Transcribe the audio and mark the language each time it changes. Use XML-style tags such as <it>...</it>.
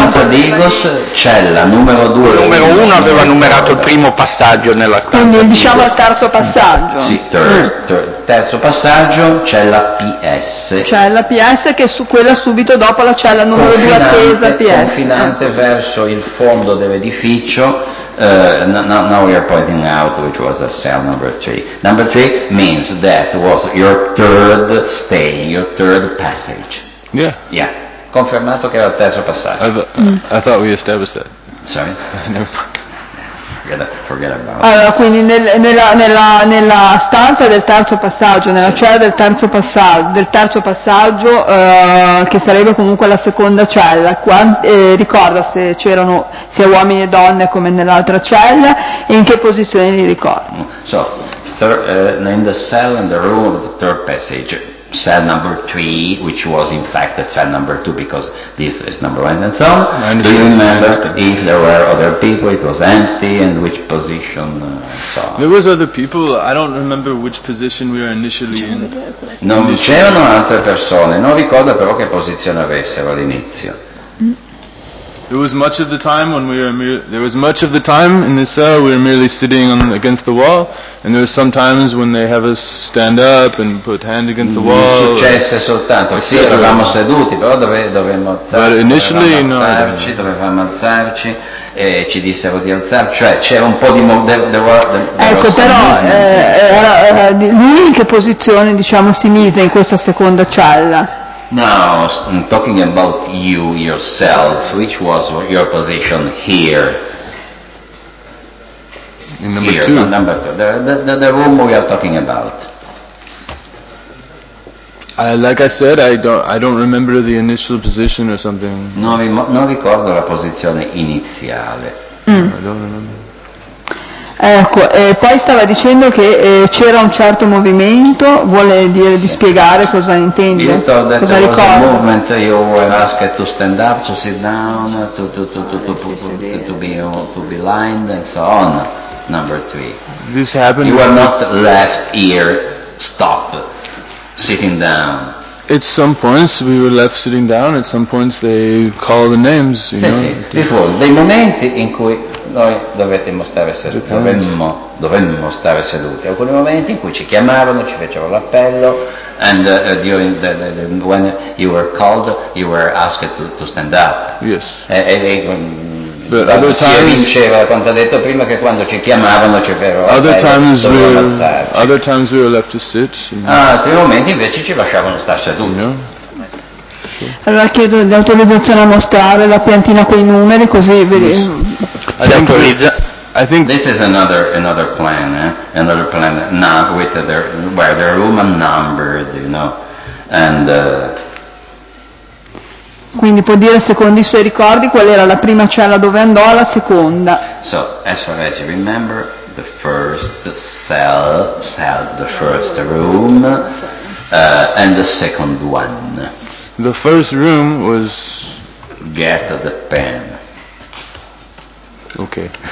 <it>la stanza di Igos c'è la numero 2. Numero 1 aveva numerato il primo passaggio nella stanza. Quindi di diciamo Igos. Il terzo passaggio. Sì, terzo passaggio c'è la PS. C'è la PS che è su quella subito dopo la cella numero 2 appesa PS. Confinante verso il fondo dell'edificio.</it> <en>Now you're pointing out which was a cell number 3. Number 3 means that was your third stay, your third passage. Yeah.</en> <it>Yeah. Confermato che era il terzo passaggio.</it> <en>I thought we established that. Sorry?</en> <it>Allora, quindi nella stanza del terzo passaggio, nella cella del terzo passaggio, che sarebbe comunque la seconda cella, ricorda se c'erano sia uomini e donne come nell'altra cella, e in che posizione li ricorda?</it> <en>So, in the cell in the room of the third passage, cell number 3, which was in fact the cell number 2, because this is number 1 and so on. Do you remember if there were other people, it was empty, and which position, so on? There was other people, I don't remember which position we were initially in.</en> <it>Non c'erano altre persone, non ricordo però che posizione avessero all'inizio.</it> <en>There was much of the time when we were there was much of the time in this cell we were merely sitting on against the wall, and there were some times when they have us stand up and put hand against the wall.</en> <it>Successe soltanto, sì, eravamo seduti, però dovevamo alzarci, dovevamo alzarci, e ci dissero di alzarci, cioè c'era un po' di ecco, però lui in che posizione diciamo si mise in questa seconda cella?</it> <en>Now, I'm talking about you, yourself, which was your position here? In number here, two. No, number two. The room we are talking about. Like I said, I don't remember the initial position or something.</en> <it>Non ricordo la posizione iniziale.</it> <en>I don't remember.</en> <it>Ecco, poi stava dicendo che c'era un certo movimento, vuole dire di spiegare cosa intende, cosa ricorda.</it> <en>You told that there was a movement, you were asked to stand up, to sit down, to be lined and so on, number three. This happened. You were not left here, stop, sitting down. At some points we were left sitting down, at some points they call the names, you</en> <it>sì,</it> <en>know.</en> <it>Sì.</it> <en>Before,</en> <it>dei momenti in cui noi dovemmo stare seduti, alcuni momenti in cui ci chiamavano, ci fecero l'appello,</it> <en>and during the when you were called, you were asked to stand up. Yes. Other times we were left to sit.</en> <it>Altri momenti invece ci lasciavano stare seduti. No. Allora chiedo l'autorizzazione a mostrare la piantina con i numeri, così vediamo. Autorizza.</it> <en>I think this is another plan, eh? Another plan now with their where the Roman numbers, you know, and.</en> <it>Quindi può dire secondo i suoi ricordi qual era la prima cella dove andò, la seconda.</it> <en>So as far as you remember, the first cell, the first room, and the second one. The first room was. Get the pen. Okay.</en>